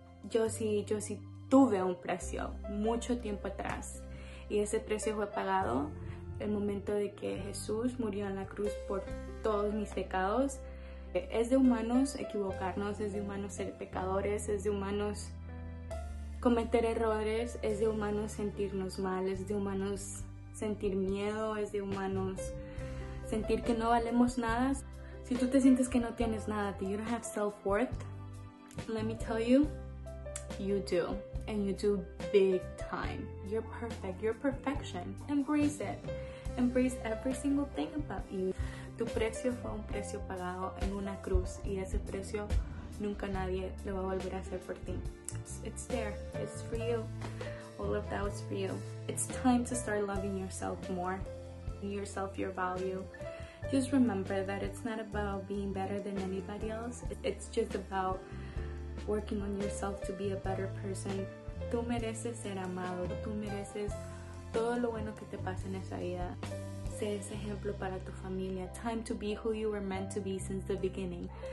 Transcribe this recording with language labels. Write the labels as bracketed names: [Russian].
[Spanish] Yo sí tuve un precio mucho tiempo atrás, y ese precio fue pagado el momento de que Jesús murió en la cruz por todos mis pecados. Es de humanos equivocarnos, es de humanos ser pecadores, es de humanos cometer errores, es de humanos sentirnos mal, es de humanos sentir miedo, es de humanos sentir que no valemos nada. Si tú te sientes que no tienes nada, [English] that you don't have self-worth, let me tell you, you do, and you do big time. You're perfect, you're perfection. Embrace it. Embrace every single thing about you. [Spanish] Tu precio fue un precio pagado en una cruz, y ese precio nunca nadie lo va a volver a hacer por ti. [English] It's there, it's for you. All of that was for you. It's time to start loving yourself more, yourself, your value. Just remember that it's not about being better than anybody else. It's just about working on yourself to be a better person. [Spanish] Tú mereces ser amado. Tú mereces todo lo bueno que te pasa en esa vida. Sé ese ejemplo para tu familia. [English] Time to be who you were meant to be since the beginning.